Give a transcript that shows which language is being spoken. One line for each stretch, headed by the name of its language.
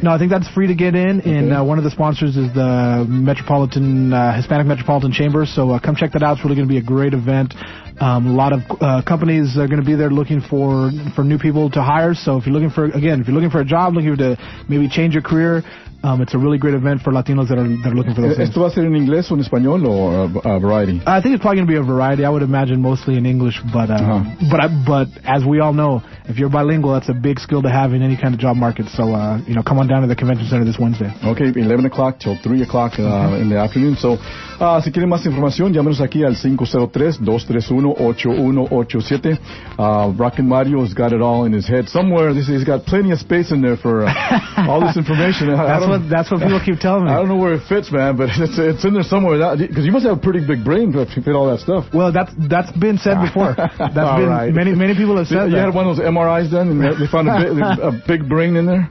English: No, I think that's free to get in. Okay. And one of the sponsors is the Metropolitan Hispanic Metropolitan Chamber. So come check that out. It's really going to be a great event. A lot of companies are going to be there looking for new people to hire. So if you're looking for, again, if you're looking for a job, looking to maybe change your career, it's a really great event for Latinos that are looking for those things.
Spanish: ¿Esto va a ser en inglés o en español o
English: a variety? I think it's probably going to be a variety. I would imagine mostly in English, but but as we all know, if you're bilingual, that's a big skill to have in any kind of job market. So, you know, come on down to the convention center this Wednesday. Okay, 11 o'clock till 3 o'clock in the afternoon.
Spanish: So, si quieren más información, llámenos aquí al 503-231-8187.
English: Rockin' Mario's got it all in his head somewhere. He's got plenty of space in there for all this information. That's what people keep telling me. I don't know where it fits, man, but it's in there somewhere. Because you must have a pretty big brain to fit all that stuff. Well, that's been said before. That's all been right. Many people have said you that. You had one of those MRIs done, and they found a big brain in there?